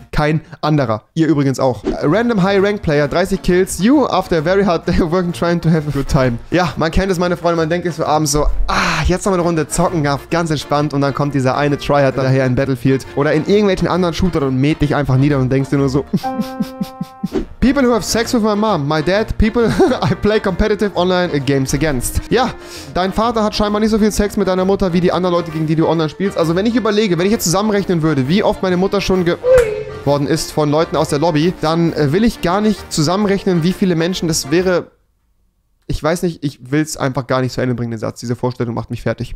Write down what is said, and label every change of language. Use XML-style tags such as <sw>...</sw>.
<de>Kein anderer. Ihr übrigens auch.</de> <en>Random High Rank Player, 30 Kills. You, after a very hard day of working, trying to have a good time.</en> <de>Ja, man kennt es, meine Freunde. Man denkt es so abends so, ah, jetzt noch eine Runde zocken, ganz entspannt. Und dann kommt dieser eine Tryhard daher in Battlefield oder in irgendwelchen anderen Shooter und mäht dich einfach nieder und denkst dir nur so.</de> <en>People who have sex with my mom, my dad, people I play competitive online games against.</en> <de>Ja, dein Vater hat scheinbar nicht so viel Sex mit deiner Mutter wie die anderen Leute, gegen die du online spielst. Also wenn ich überlege, wenn ich jetzt zusammenrechnen würde, wie oft meine Mutter schon ge... worden ist von Leuten aus der Lobby, dann will ich gar nicht zusammenrechnen, wie viele Menschen das wäre. Ich weiß nicht, ich will es einfach gar nicht zu Ende bringen, den Satz. Diese Vorstellung macht mich fertig.</de>